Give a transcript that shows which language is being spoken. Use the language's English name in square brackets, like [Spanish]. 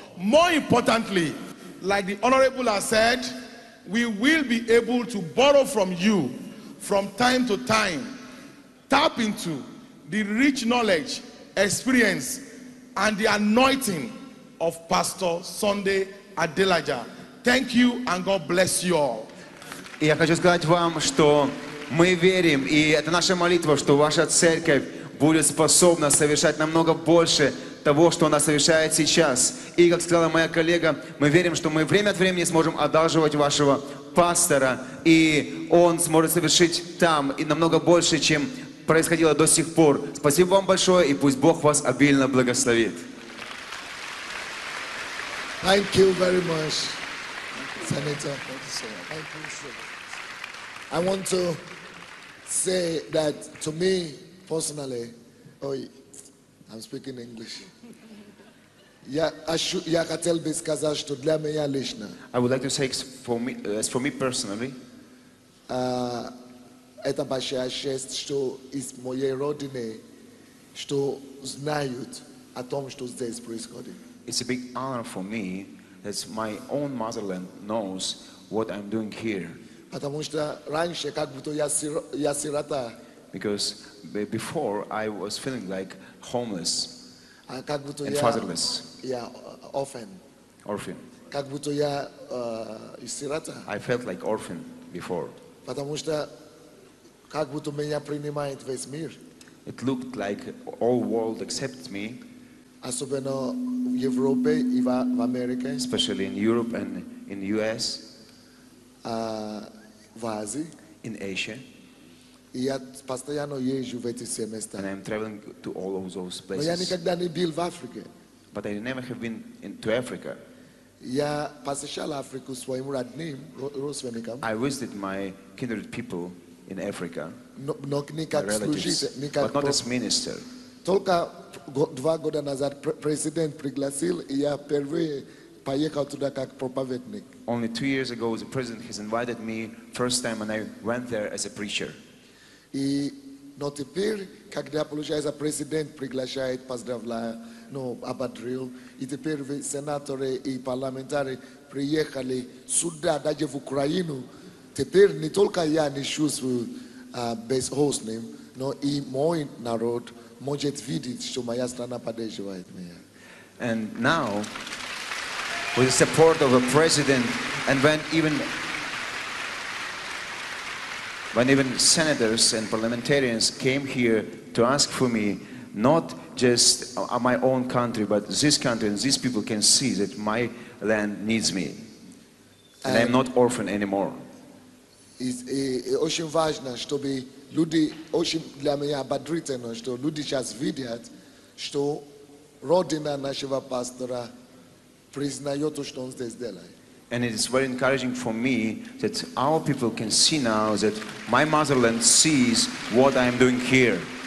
[English] More importantly, like the Honorable has said, we will be able to borrow from you from time to time, tap into the rich knowledge, experience, and the anointing of Pastor Sunday Adelaja. Thank you, and God bless you all. [Russian] Я хочу сказать вам, что мы верим, и это наша молитва, что ваша церковь будет способна совершать намного больше того, что она совершает сейчас. И, как сказала моя коллега, мы верим, что мы время от времени сможем одалживать вашего пастора, и он сможет совершить там и намного больше, чем происходило до сих пор. Спасибо вам большое, и пусть Бог вас обильно благословит. [English] Thank you very much, Senator. Thank you, sir. I want to say that to me personally, oh, I'm speaking English. [Russian] Я хотел бы сказать, что для меня лично. [English] I would like to say for me personally. [Russian] Это большая честь, что из моей родины, что знают о том, что здесь происходит. [English] It's a big honor for me as my own motherland knows what I'm doing here. [Russian] Потому что раньше как будто я сирота. [English] Because before I was feeling like homeless and fatherless. Yeah, orphan. Orphan. [Russian] Как будто я сирота. [English] I felt like orphan before. [Russian] Потому что как будто меня принимает весь мир. [English] It looked like all world accepts me. [Russian] Особенно в Европе и в Америке. [English] Especially in Europe and in US. [Russian] В Азии. [English] In Asia. [Russian] И я постоянно езжу в эти все места. [English] And I'm traveling to all of those places. [Russian] Но я никогда не был в Африке. [English] But I never have been to Africa. [Russian] Я посещал Африку своим родным, родственникам. [English] I visited my kindred people in Africa. [Russian] Но не как служитель, не как. [English] But not as minister. [Russian] Только два года назад президент пригласил, и я впервые поехал туда как проповедник. [English] Only 2 years ago, the president has invited me first time, and I went there as a preacher. [Russian] И но теперь, когда получается президент приглашает, поздравляю, ободрил, и теперь сенаторы и парламентарии приехали сюда, даже в Украину, теперь не только я не чувствую без хостным, но и мой народ может видеть, что моя страна поддерживает меня. [English] And now, with the support of the president, and when even senators and parliamentarians came here to ask for me, not just my own country, but this country and these people can see that my land needs me. And I'm not orphan anymore. [Russian] Очень важно, чтобы люди, очень для меня ободрительно, что люди сейчас видят, что родина нашего пастора признает, что он здесь делает. [English] And it is very encouraging for me that our people can see now that my motherland sees what I am doing here.